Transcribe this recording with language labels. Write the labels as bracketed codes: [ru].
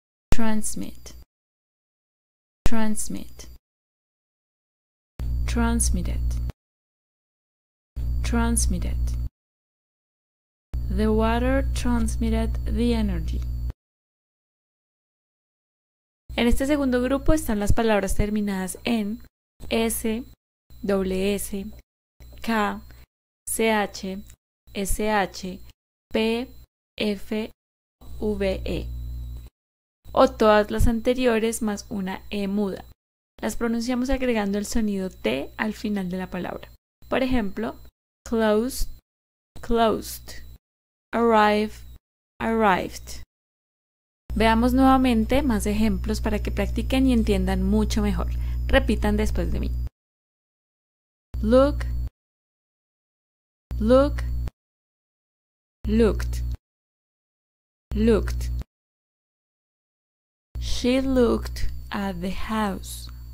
[en] Transmit. Transmit. Transmitted. Transmitted. The water transmitted the energy. [es] En este segundo grupo están las palabras terminadas en S, S, K, CH, SH, P, F, V, E. O todas las anteriores más una E muda. Las pronunciamos agregando el sonido T al final de la palabra. Por ejemplo, close, closed. Arrive, arrived. Veamos nuevamente más ejemplos para que practiquen y entiendan mucho mejor. Repitan después de mí. [en] Look, look, looked, looked. She looked at the house.